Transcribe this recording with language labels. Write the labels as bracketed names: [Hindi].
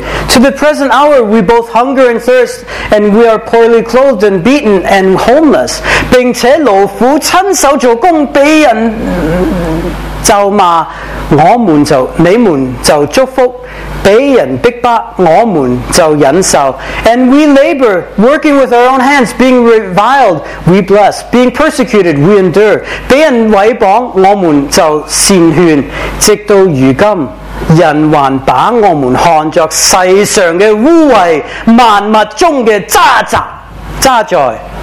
[English] To the present hour, we both hunger and thirst, and we are poorly clothed and beaten and homeless. [Chinese] 并且劳苦亲手做工，被人 咒骂，我们就你们就祝福；被人逼迫，我们就忍受。 [English] And we labor, working with our own hands, being reviled, we bless; being persecuted, we endure; [Chinese] 被人毁谤，我们就善劝。直到如今，人还把我们看作世上的污秽、万物中的渣滓。渣滓。